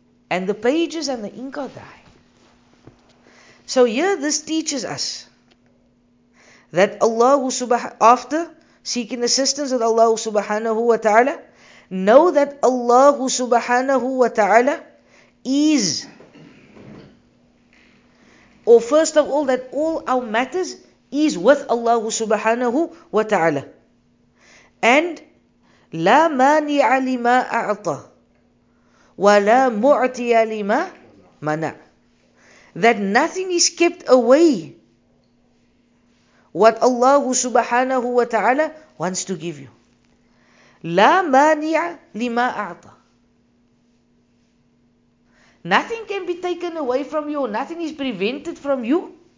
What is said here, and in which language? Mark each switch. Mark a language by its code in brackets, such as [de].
[en] And the pages and the ink are dry. So here this teaches us that Allah subhanahu, after seeking assistance of Allah subhanahu wa ta'ala, know that Allah subhanahu wa ta'ala is, or first of all, that all our matters is with Allah subhanahu wa ta'ala. [ar] And لا مانع لما أعطى ولا معطي لما منع. [en] That nothing is kept away what Allah subhanahu wa ta'ala wants to give you. [ar] لا مانع لما أعطى. [en] Nothing can be taken away from you, or nothing is prevented from you.